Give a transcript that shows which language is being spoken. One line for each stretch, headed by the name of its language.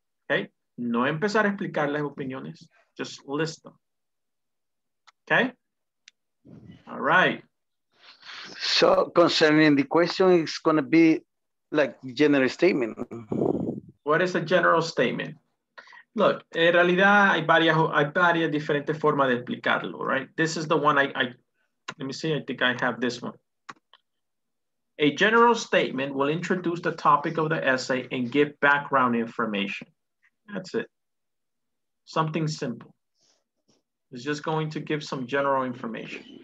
English: Okay.
Spanish: No empezar a explicar las opiniones,
English: just list them. Okay. All right. So concerning the question, it's going to be like general statement. What is a general statement? Look,
Spanish: en realidad hay varias diferentes formas de explicarlo,
English: right? This is the one I let me see, I think I have this one. A general statement will introduce the topic of the essay and give background information. That's it. Something simple. It's just going to give some general information.